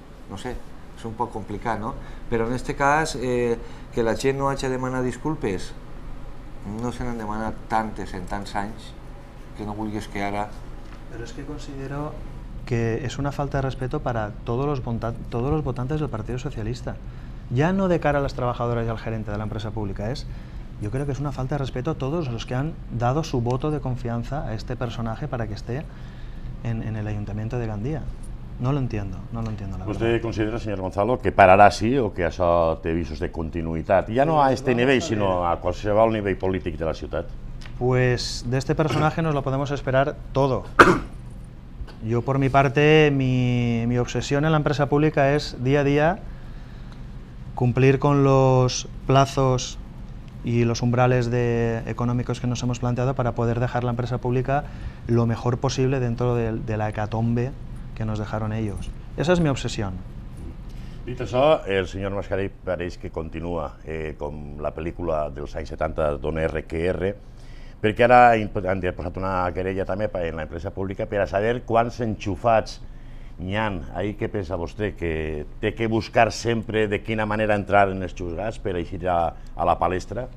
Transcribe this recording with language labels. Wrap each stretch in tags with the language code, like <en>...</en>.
<ca>No sé, és un poc complicat, no? Però en aquest cas, que la gent no hagi de demanar disculpes, no se n'han demanat tantes en tants anys, que no vulguis que ara... Però és que considero que és una falta de respeto per a tots els votants del Partit Socialista. Ja no de cara a les treballadores i al gerente de l'empresa pública, és...</ca> <es>Yo creo que es una falta de respeto a todos los que han dado su voto de confianza a este personaje para que esté en el Ayuntamiento de Gandía. No lo entiendo, no lo entiendo, la ¿Usted verdad. Considera, señor Gonzalo, que parará así o que eso te visos de continuidad? Ya no a este nivel, sino a cual se va al nivel político de la ciudad. Pues de este personaje nos lo podemos esperar todo. Yo, por mi parte, mi obsesión en la empresa pública es día a día cumplir con los plazos y los umbrales económicos que nos hemos planteado para poder dejar la empresa pública lo mejor posible dentro de la hecatombe que nos dejaron ellos. Esa es mi obsesión.</es> <ca>Dit això, el senyor Mascarell pareix que continua com la pel·lícula dels anys 70 d'on RQR, perquè ara han posat una querella també en l'empresa pública per a saber quants enxufats n'hi ha. Ahí què pensa vostè? Que té que buscar sempre de quina manera entrar en els juzgats per eixir a la palestra?</ca>